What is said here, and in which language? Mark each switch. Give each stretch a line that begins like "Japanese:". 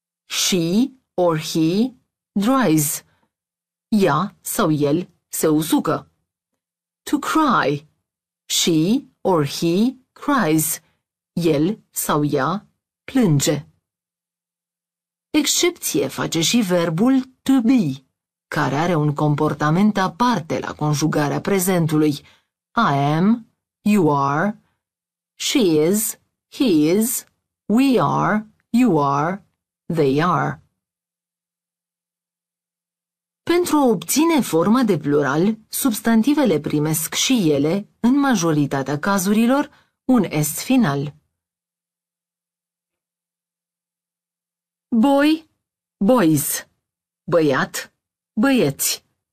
English: She or he dries.
Romanian: Ea sau el se usucă.
English: To cry. She or he cries.
Romanian: El sau ea plânge. Excepție face și verbul to be, care are un comportament aparte la conjugarea prezentului.
English: I am, you are, she is, he is, we are, you are, they are.
Romanian: Pentru a obține forma de plural, substantivele primesc și ele, în majoritatea cazurilor, un est final.
English: Boy, boys.
Romanian: Băiat, băieți.